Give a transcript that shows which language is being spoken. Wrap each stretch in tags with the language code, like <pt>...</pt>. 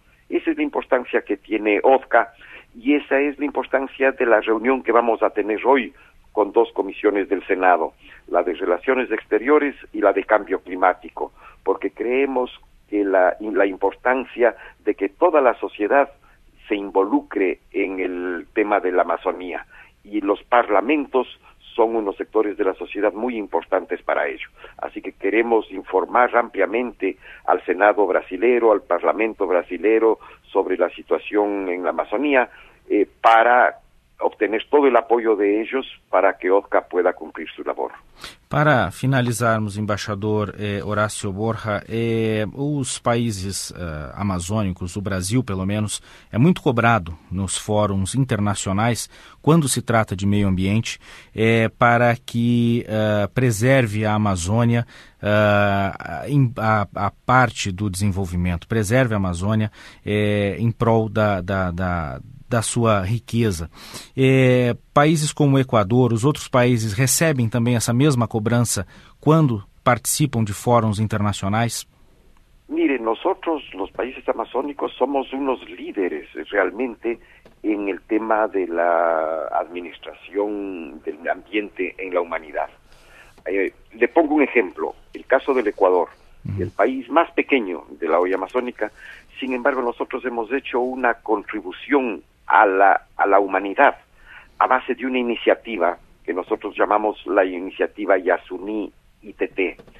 <es>Esa es la importancia que tiene OTCA. Y esa es la importancia de la reunión que vamos a tener hoy con 2 comisiones del Senado, la de Relaciones Exteriores y la de Cambio Climático, porque creemos que la importancia de que toda la sociedad se involucre en el tema de la Amazonía, y los parlamentos son unos sectores de la sociedad muy importantes para ello. Así que queremos informar ampliamente al Senado brasilero, al Parlamento brasilero, sobre la situación en la Amazonía, para obtener todo el apoyo de ellos para que OTCA pueda cumplir su labor.</es> <pt>Para finalizarmos, embaixador Horácio Borja, os países amazônicos, o Brasil pelo menos, é muito cobrado nos fóruns internacionais, quando se trata de meio ambiente, para que preserve a Amazônia, a parte do desenvolvimento, preserve a Amazônia em prol da da sua riqueza. Países como o Equador, os outros países recebem também essa mesma cobrança quando participam de fóruns internacionais?</pt> <es>Mire, nosotros, los países amazónicos, somos unos líderes realmente en el tema de la administración del ambiente en la humanidad. Le pongo un ejemplo, el caso del Ecuador, el país más pequeño de la hoy amazónica, sin embargo nosotros hemos hecho una contribución a la humanidad a base de una iniciativa que nosotros llamamos la iniciativa Yasuní ITT.</es>